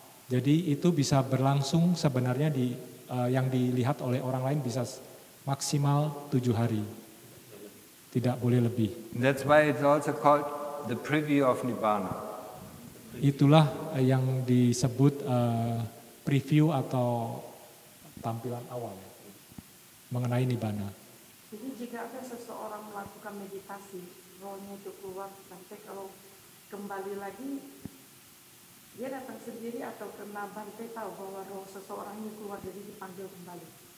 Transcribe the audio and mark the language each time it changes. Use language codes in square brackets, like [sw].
[id] Jadi itu bisa berlangsung sebenarnya di yang dilihat oleh orang lain bisa maksimal 7 hari. Tidak boleh lebih. [en] That's why it's also called the preview of Nibbana. [id] Itulah yang disebut preview atau tampilan awal mengenai Nibbana. Jadi jika ada seseorang melakukan meditasi, role-nya itu keluar, sampai kalau kembali lagi, dia datang sendiri atau karena Bante tahu bahwa role seseorang ini keluar, jadi dipanggil kembali.